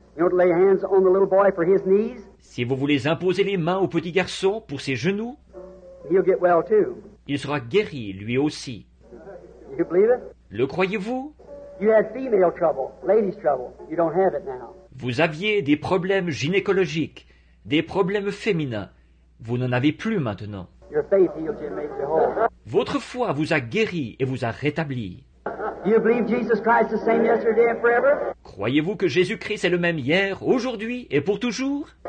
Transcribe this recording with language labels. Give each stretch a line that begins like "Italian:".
English: You want to lay hands on the little boy for his knees?
French: Si vous voulez imposer les mains au petit garçon pour ses genoux,
English: he'll get well too.
French: Il sera guéri, lui aussi.
English: You believe it?
French: Le croyez-vous?
English: You had female trouble, ladies' trouble. You don't have it now.
French: Vous aviez des problèmes gynécologiques, des problèmes féminins. Vous n'en avez plus maintenant.
English: Your faith healed you and made you whole.
French: Votre foi vous a guéri et vous a rétabli.
English: You believe Jesus Christ the same yesterday and forever?
French: Croyez-vous que Jésus-Christ est le même hier, aujourd'hui et pour toujours?